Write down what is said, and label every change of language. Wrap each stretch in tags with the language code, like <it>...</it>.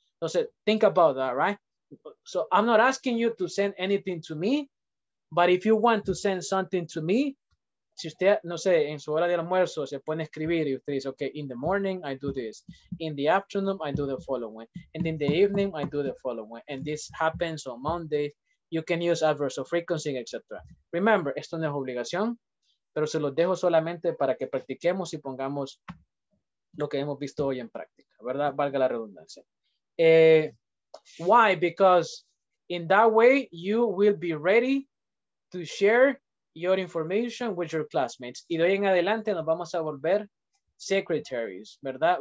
<en>Entonces, think about that, right? So I'm not asking you to send anything to me, but if you want to send something to me,</en> <es>si usted, no sé, en su hora de almuerzo se puede escribir y usted dice,</es> <en>okay, in the morning, I do this. In the afternoon, I do the following. And in the evening, I do the following. And this happens on Monday. You can use adverbs of frequency, etc.</en> <es>Remember, esto no es obligación, pero se los dejo solamente para que practiquemos y pongamos lo que hemos visto hoy en práctica, ¿verdad? Valga la redundancia. Why?</es> <en>Because in that way, you will be ready to share your information with your classmates.</en> <es>Y de hoy en adelante nos vamos a volver secretaries, ¿verdad?</es>